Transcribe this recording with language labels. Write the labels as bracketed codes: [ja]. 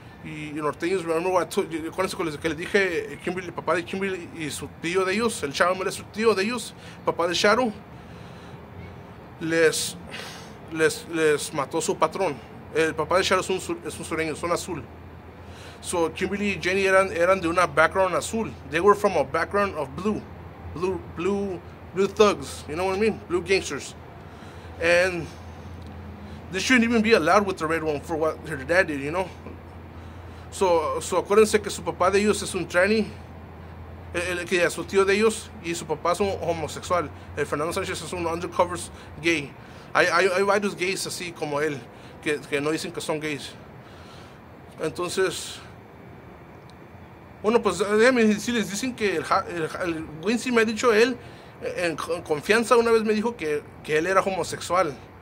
[es] Y norteños, acuérdense con lo que les dije, Kimberly, papá de Kimberly y su tío de ellos, el Sharon es su tío de ellos, papá de Sharon, les mató su patrón. El papá de Charo es un sureño, son azul. So Kimberly y Jenny eran de una background azul. [en] They were from a background of blue. Blue thugs, you know what I mean? Blue gangsters. And they shouldn't even be allowed with the red one for what her dad did, you know? [es] So acuérdense que su papá de ellos es un tranny. Que ya es su tío de ellos y su papá es un homosexual. El Fernando Sánchez es un [en] undercover [es] gay. Hay varios gays así como él que no dicen que son gays. Entonces, bueno, pues déjenme decirles, dicen que el Wincy me ha dicho él, en confianza una vez me dijo que él era homosexual.